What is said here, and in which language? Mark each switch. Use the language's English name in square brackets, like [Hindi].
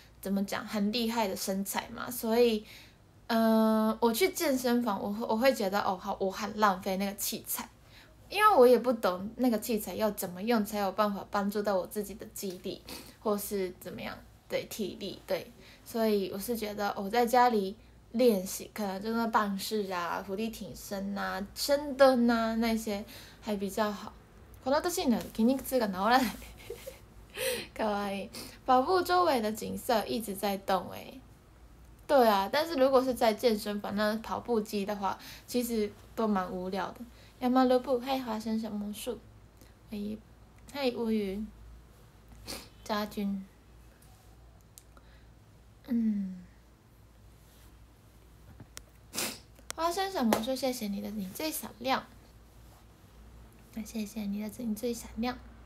[Chinese] 怎么讲，很厉害的身材嘛，所以，我去健身房，我会觉得，哦，好，我很浪费那个器材，因为我也不懂那个器材要怎么用才有办法帮助到我自己的肌力，或是怎么样，对，体力，对，所以我是觉得我在家里练习，可能就是棒式啊、俯卧撑啊、深蹲啊那些还比较好。 [Japanese] この年になると筋肉痛が治らない。 [Chinese] 可爱，跑步周围的景色一直在动诶。对啊，但是如果是在健身房，那跑步机的话，其实都蛮无聊的。要么卢布，嗨，花生小魔术，嗨，嗨，乌云，家军，花生小魔术，谢谢你的你最闪亮，那谢谢你的你最闪亮。